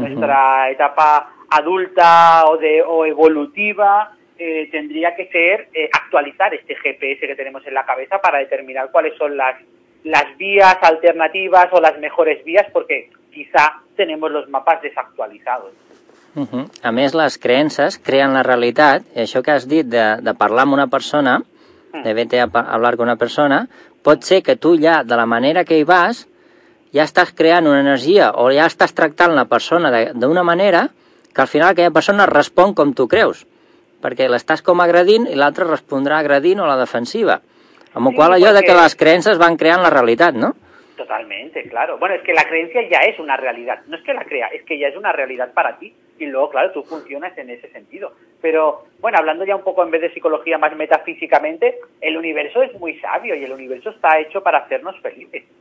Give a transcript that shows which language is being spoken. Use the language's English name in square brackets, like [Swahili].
[Spanish] Nuestra etapa adulta o evolutiva tendría que ser actualizar este GPS que tenemos en la cabeza para determinar cuáles son las vías alternativas o las mejores vías, porque quizá tenemos los mapas desactualizados. Uh-huh. [Catalan] A més, les creences creen la realitat, i això que has dit de parlar amb una persona, de [Spanish] vete a hablar con una persona, [Catalan] pot ser que tu ja, de la manera que hi vas, ja estàs creant una energia o ja estàs tractant la persona d'una manera que al final aquella persona respon com tu creus, perquè l'estàs com agredint i l'altre respondrà agredint o la defensiva. Amb la qual cosa, allò que les creences van creant la realitat, no? [Spanish] Totalmente, claro. Bueno, es que la creencia ya es una realidad. No es que la crea, es que ya es una realidad para ti. Y luego, claro, tú funcionas en ese sentido. Pero, bueno, hablando ya un poco en vez de psicología más metafísicamente, el universo es muy sabio y el universo está hecho para hacernos felices.